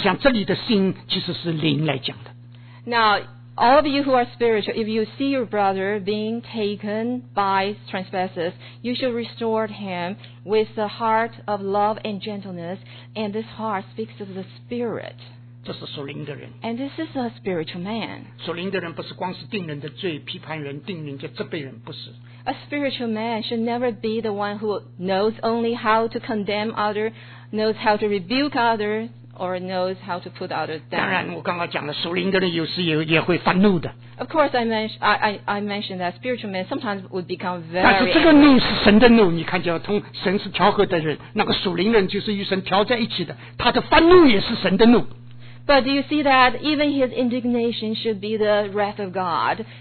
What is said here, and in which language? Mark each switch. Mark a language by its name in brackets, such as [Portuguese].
[Chinese] 你应该好好的用爱心，用温柔去把他挽回过来。我想这里的心其实是灵来讲的。 [English] Now, all of you who are spiritual, if you see your brother being taken by transgressors, you should restore him with the heart of love and gentleness, and this heart speaks of the spirit. [Chinese] 这是属灵的人。 [English] And this is a spiritual man. [Chinese] 属灵的人不是光是定人的罪，批判人，定人家这辈人不是。 [English] A spiritual man should never be the one who knows only how to condemn others, knows how to rebuke others, or knows how to put others down. [Chinese] 当然，我刚刚讲了，属灵的人有时也会发怒的。 [English] Of course, I mentioned that spiritual man sometimes would become very angry. [Chinese] 但是这个怒是神的怒，你看见通神是调和的人，那个属灵人就是与神调在一起的，他的发怒也是神的怒。 [English] But do you see that even his indignation should be the wrath of God?